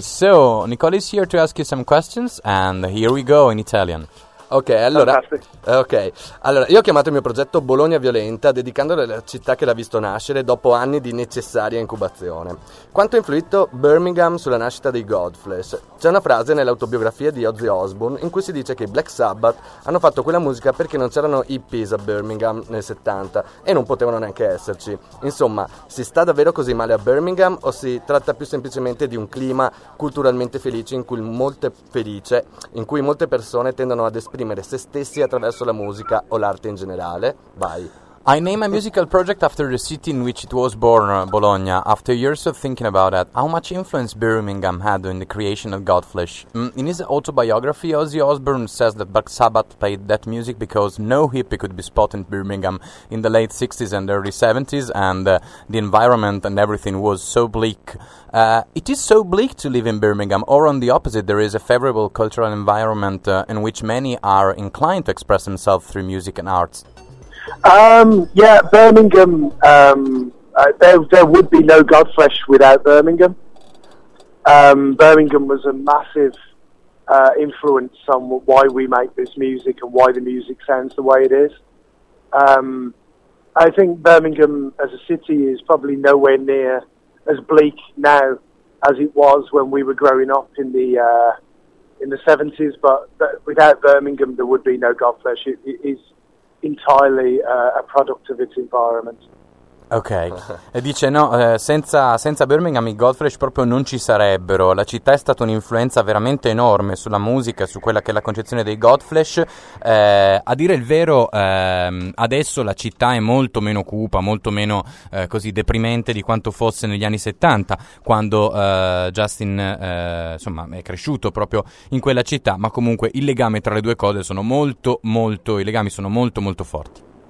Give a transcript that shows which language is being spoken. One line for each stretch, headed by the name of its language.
English: So Nicola is here to ask you some questions, and here we go in Italian.
Italian: Ok, allora. Fantastico. Ok. Allora, io ho chiamato il mio progetto Bologna Violenta, dedicandolo alla città che l'ha visto nascere dopo anni di necessaria incubazione. Quanto ha influito Birmingham sulla nascita dei Godflesh? C'è una frase nell'autobiografia di Ozzy Osbourne in cui si dice che i Black Sabbath hanno fatto quella musica perché non c'erano hippies a Birmingham nel 70 e non potevano neanche esserci. Insomma, si sta davvero così male a Birmingham o si tratta più semplicemente di un clima culturalmente felice in cui molte persone tendono ad esprimere se stessi attraverso la musica o l'arte in generale? Vai.
English: I name a musical project after the city in which it was born, Bologna. After years of thinking about it, how much influence Birmingham had in the creation of Godflesh? In his autobiography, Ozzy Osbourne says that Black Sabbath played that music because no hippie could be spotted in Birmingham in the late 60s and early 70s, and the environment and everything was so bleak. It is so bleak to live in Birmingham, or on the opposite, there is a favorable cultural environment in which many are inclined to express themselves through music and arts. Birmingham, there would be no Godflesh without Birmingham. Birmingham was a massive influence on why we make this music and why the music sounds the way it is. I think Birmingham as a city is probably nowhere near as bleak now as it was when we were growing up in the 70s, but without Birmingham there would be no Godflesh. It is entirely a product of its environment.
Italian: Ok, e dice no, senza Birmingham i Godflesh proprio non ci sarebbero. La città è stata un'influenza veramente enorme sulla musica, su quella che è la concezione dei Godflesh. A dire il vero, adesso la città è molto meno cupa, molto meno così deprimente di quanto fosse negli anni 70, quando Justin insomma è cresciuto proprio in quella città, ma comunque il legame tra le due cose sono molto, i legami sono molto molto forti.